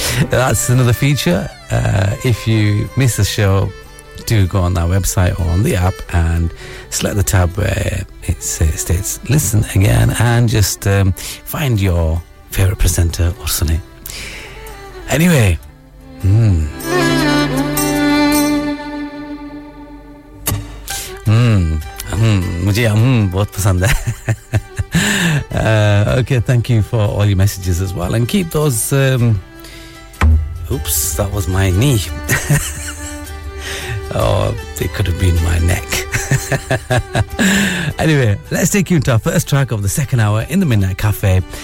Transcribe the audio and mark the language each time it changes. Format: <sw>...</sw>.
<en>That's another feature. If you miss the show, do go on our website or on the app and select the tab where it states listen again and just find your favorite presenter or sunne.</en> <hi>Anyway, मुझे बहुत पसंद है</hi> <en>Okay, thank you for all your messages as well. And keep those... Oops, that was my knee. Oh, it could have been my neck. Anyway, let's take you into our first track of the second hour in the Midnight Cafe.</en>